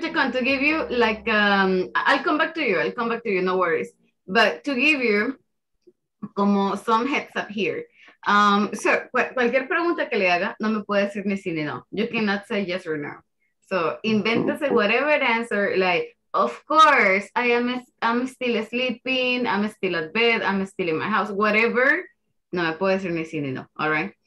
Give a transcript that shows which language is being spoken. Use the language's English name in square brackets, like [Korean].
[English] Chacon, to give you like, I'll come back to you, no worries. But to give you como some heads up here. [Spanish] So, cualquier pregunta que le haga, no me puede decir ni sí ni no. [English] You cannot say yes or no. So, invéntese whatever answer, like, of course, I'm still sleeping, I'm still at bed, I'm still in my house, whatever. [Spanish] No me puede decir ni sí ni no, [English] all right?